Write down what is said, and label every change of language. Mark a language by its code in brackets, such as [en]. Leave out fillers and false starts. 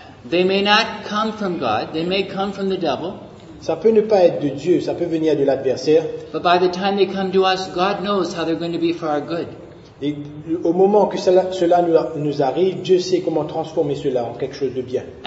[en] They may not come from God, they may come from the devil. [fr] Ça peut ne pas être de Dieu, ça peut venir de l'adversaire. [en] But by the time they come to us, God knows how they're going to be for our good. [fr] Et au moment que cela nous arrive, Dieu sait comment transformer cela en quelque chose de bien.